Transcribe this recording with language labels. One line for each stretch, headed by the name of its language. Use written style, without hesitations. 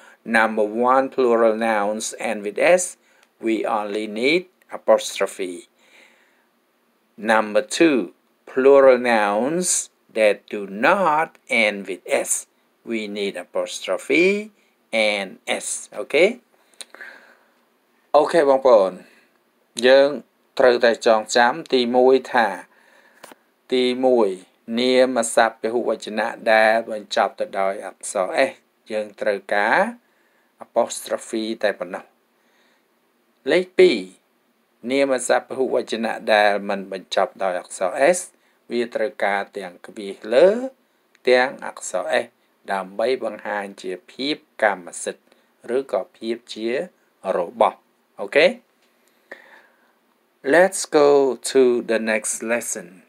English: Number one, plural nouns end with S. We only need apostrophe. Number two, plural nouns that do not end with S. We need apostrophe and S. Okay?
Khmer: អូខេបងប្អូនយើងត្រូវតែចងចាំទី1ថាទី1នាមសព្ទពហុវចនៈដែលបញ្ចប់ទៅដោយអក្សរ S យើងត្រូវការ apostrophe តែប៉ុណ្ណោះ លេខ2នាមសព្ទពហុវចនៈដែលមិនបញ្ចប់ដោយអក្សរ S វាត្រូវការទាំងក្បៀសលើទាំងអក្សរ S ដើម្បីបង្ហាញជាភាពកម្មសិទ្ធិឬក៏ភាពជារបស់Okay,
English: let's go to the next lesson.